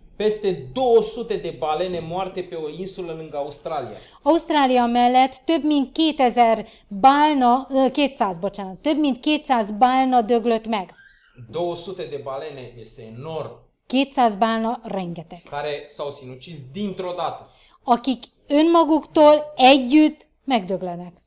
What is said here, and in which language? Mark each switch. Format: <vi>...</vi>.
<ro>Peste 200 de balene moarte pe o insulă lângă Australia.</ro> <hu>Australia mellett több mint 2000 balna, 200, bocsánat, több mint 200 balna döglött meg.</hu> <ro>200 de balene este enorm.</ro> <hu>200 balna, rengeteg.</hu> <ro>Care s-au sinucis dintr-o dată.</ro> <hu>Akik önmaguktól együtt megdöglenek.</hu>